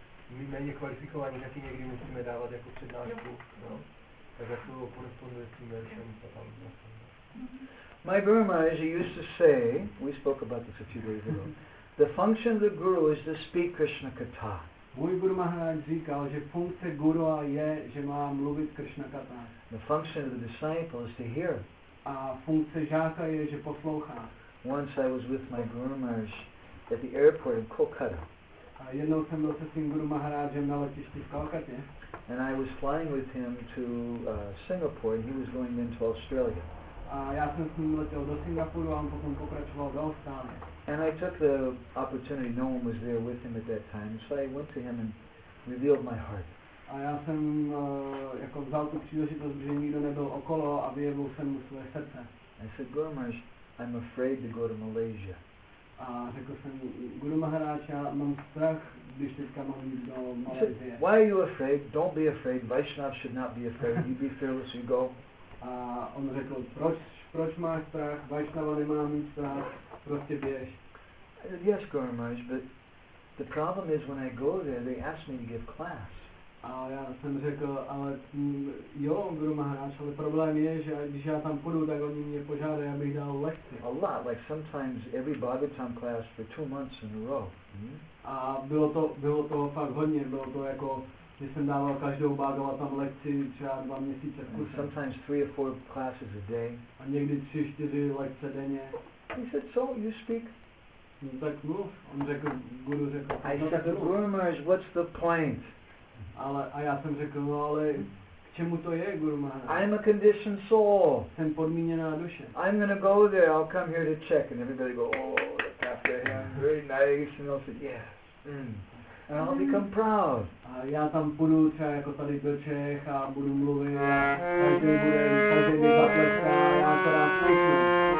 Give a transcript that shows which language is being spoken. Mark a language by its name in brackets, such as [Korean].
[Czech] My méně kvalifikovaní taky někdy musíme dávat jako přednášku. Tak jak to koresponduje s tím veršem, to tam [English] My Guru Maharaj used to say, we spoke about this a few days ago, the function of the Guru is to speak Krishna Katha. [Czech] Můj Guru Maharaj říkal, že funkce Guru je, že má mluvit Krishna Katha. [English] The function of the disciple is to hear. [Czech] A funkce žáka je, že poslouchá. [English] Once I was with my Guru Maharaj at the airport in Kolkata. [Czech] A jednou jsem byl se svým Guru Maharajem na letišti v Kolkatě. [English] And I was flying with him to Singapore and he was going into Australia. [Czech] A já jsem s ním letěl do Singapuru a on potom pokračoval do Austrálie. [English] And I took the opportunity, no one was there with him at that time, so I went to him and revealed my heart. [Czech] A já jsem jako vzal tu příležitost, že nikdo nebyl okolo a vyjevil jsem mu své srdce. [English] I said, Guru Maharaj, I'm afraid to go to Malaysia. [Czech] A řekl jsem, Guru Maharaj, já mám strach, když teďka mám jít do Malaysie. [English] Why are you afraid? Don't be afraid. Vaishnav should not be afraid. You be fearless, you go. [Czech] A on řekl, proč máš strach? Vaishnava nemá mít strach. Prostě běž. [English] I said, yes, Guru Maharaj, but the problem is when I go there, they ask me to give class. [Czech] A já jsem řekl, ale jo, Guru Maharaj, ale problém je, že když já tam půjdu, tak oni mě požádají, abych dal lekci. [English] A lot, like sometimes every Bhagavatam class for 2 months in a row. [Czech] A bylo to fakt hodně, bylo to jako, že jsem dával každou Bhagavatam lekci třeba 2 měsíce v kuse. [English] Sometimes 3 or 4 classes a day. [Czech] A někdy 3-4 lekce denně. [English] He said, so you speak? [Czech] Tak mluv. On řekl, Guru řekl. [English] I said, Guru Maharaj, what's the point? [Czech] Ale, a já jsem řekl, no ale k čemu to je, Guru Maharaj? [English] I'm a conditioned soul. [Czech] Jsem podmíněná duše. [English] I'm gonna go there, I'll come here to check. And everybody go, oh, look after him, very nice. And I'll say, yes. And I'll become proud. [Czech] A já tam půjdu třeba jako tady do Čech a budu mluvit. A každý mi zatleská a já to rád slyším.